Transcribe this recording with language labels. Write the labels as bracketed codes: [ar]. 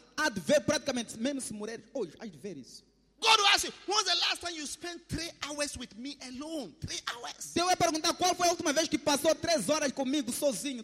[pt] Há de ver praticamente, mesmo se morrer hoje, há de ver isso. [en] God will ask you, when was the last time you spent 3 hours with me alone? 3 hours. [pt] Deus vai perguntar, qual foi a última vez que passou 3 horas comigo sozinho?